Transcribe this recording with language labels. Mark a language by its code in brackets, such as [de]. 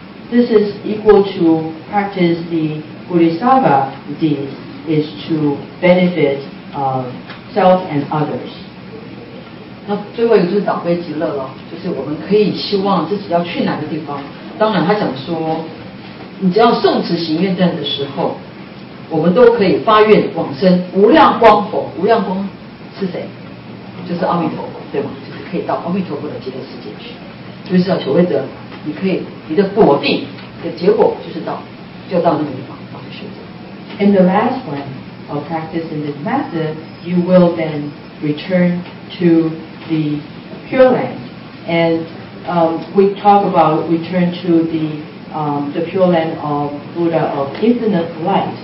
[en] This is equal to practice the Bodhisattva deeds, is to benefit self and others. [zh] 那最后一个就是导悲极乐了，就是我们可以希望自己要去哪个地方。当然，他想说，你只要诵持行愿证的时候，我们都可以发愿往生无量光佛。无量光是谁？就是阿弥陀佛，对吗？就是可以到阿弥陀佛的极乐世界去。就是要求会得，你可以你的果地的结果就是到，就到那个地方，然后修证。 [en] In the last one of practice in this method, you will then return to the pure land. And we talk about return to the pure land of Buddha of infinite light.